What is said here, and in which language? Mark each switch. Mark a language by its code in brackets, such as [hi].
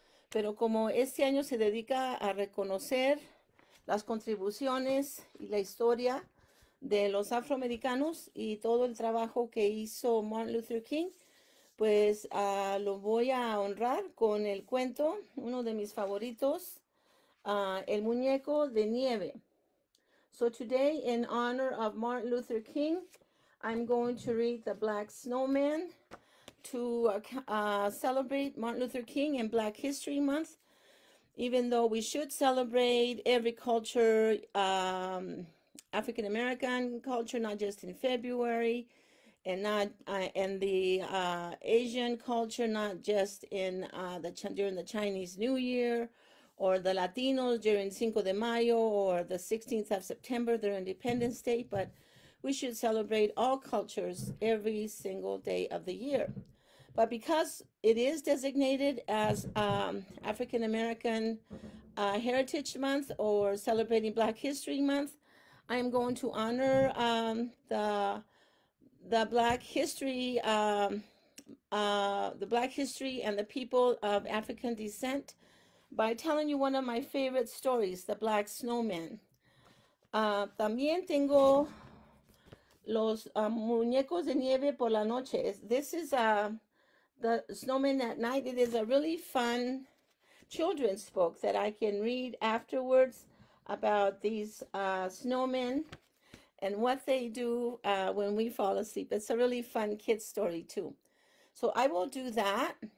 [es] Pero como este año se dedica a reconocer las contribuciones y la historia de los afroamericanos y todo el trabajo que hizo Martin Luther King, pues lo voy a honrar con el cuento, uno de mis favoritos, El muñeco de nieve. [en] So today, in honor of Martin Luther King, I'm going to read The Black Snowman to celebrate Martin Luther King and Black History Month. Even though we should celebrate every culture, African American culture, not just in February, and not in the Asian culture, not just in during the Chinese New Year, or the Latinos during Cinco de Mayo or the 16th of September, their Independence Day, but we should celebrate all cultures every single day of the year. But because it is designated as African American Heritage Month or celebrating Black History Month, I am going to honor the Black history, the Black history and the people of African descent by telling you one of my favorite stories, The Black Snowman. [es] También tengo los muñecos de nieve por la noche. [en] This is The Snowman at Night. It is a really fun children's book that I can read afterwards about these snowmen and what they do when we fall asleep. It's a really fun kid story too. So I will do that.